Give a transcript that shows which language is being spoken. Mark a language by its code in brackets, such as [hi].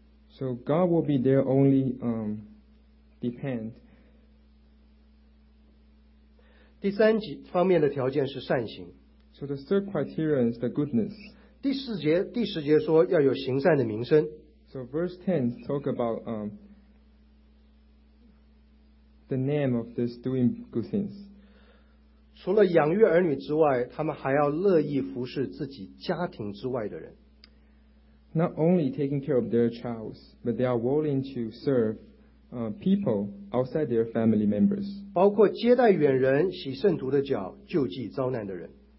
[en] So God will be their only depend. [zh] 第三方面的条件是善行。 [en] So the third criteria is the goodness. [zh] 第十节说要有行善的名声。 [en] So verse 10 talk about the name of this doing good things. [zh] 除了养育儿女之外, 他们还要乐意服侍自己家庭之外的人。 [en] Not only taking care of their child, but they are willing to serve people outside their family members. [zh] 包括接待远人, 洗圣徒的脚, 救济遭难的人。